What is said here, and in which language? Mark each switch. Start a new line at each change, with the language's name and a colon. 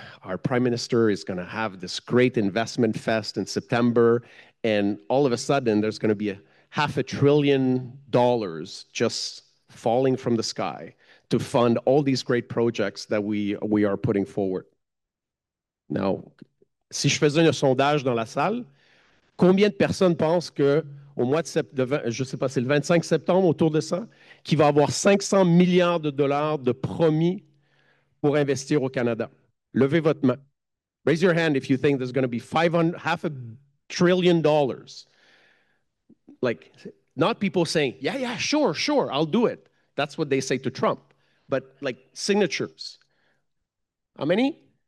English: Our prime minister is going to have this great investment fest in September, and all of a sudden there's going to be $500 billion just falling from the sky to fund all these great projects that we are putting forward.
French: Now, si je faisais un sondage dans la salle, combien de personnes pensent que au mois de septembre, je sais pas, c'est le 25 septembre autour de ça, qu'il va avoir 500 milliards de dollars de promis pour investir au Canada? Levez votre main.
English: Raise your hand if you think there's going to be $500 billion. Like, not people saying, yeah, yeah, sure, sure, I'll do it. That's what they say to Trump. But like signatures. How many?